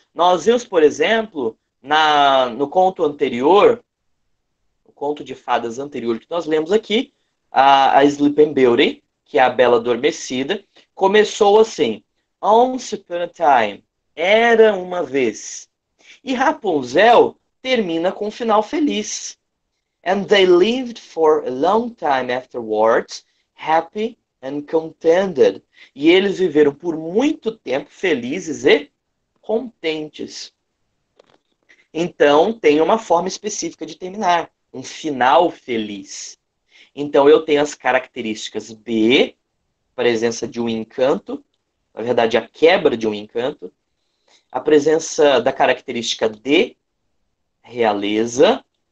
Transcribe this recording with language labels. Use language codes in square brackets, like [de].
[pt] Nós vimos, por exemplo, no conto anterior, o conto de fadas anterior que nós lemos aqui, a Sleeping Beauty, que é a Bela Adormecida, começou assim: [en] Once upon a time, [pt] era uma vez. E Rapunzel termina com um final feliz. [en] And they lived for a long time afterwards, happy and contented. [pt] E eles viveram por muito tempo felizes e contentes. Então, tem uma forma específica de terminar, um final feliz. Então, eu tenho as características B, presença de um encanto, na verdade, a quebra de um encanto, a presença da característica D, realeza.